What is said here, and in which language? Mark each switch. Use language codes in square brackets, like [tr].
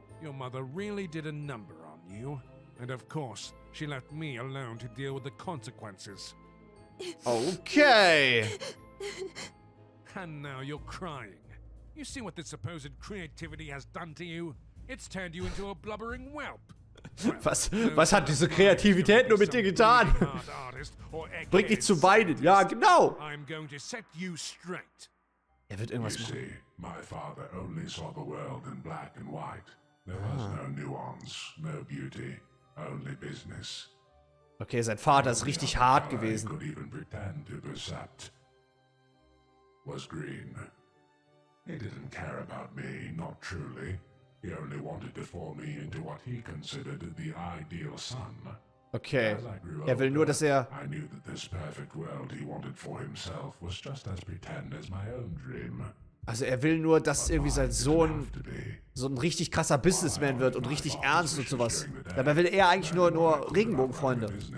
[en] Your mother really did a number on you. And of course, she left me alone to deal with the consequences. Okay. And now you're crying. You see what this supposed creativity has done to you? It's turned you into a blubbering whelp. [de] Was hat diese Kreativität nur mit dir getan? Bring dich zu weinen. Ja, genau. [en] I'm going to set you straight. [de] Er wird irgendwas machen. [en] You see, my father only saw the world in black and white. There was no nuance, no beauty, only business. [de] Okay, sein Vater ist richtig hart gewesen. [en] Could even pretend to percept. Was green. He didn't care about me, not truly. He only wanted to form me into what he considered the ideal son. [de] Okay. Er will nur, dass er. [en] I knew that this perfect world he wanted for himself was just as pretend as my own dream. [de] Also er will nur, dass irgendwie sein Sohn so ein richtig krasser Businessman wird und richtig ernst und sowas. Dabei will er eigentlich nur Regenbogenfreunde.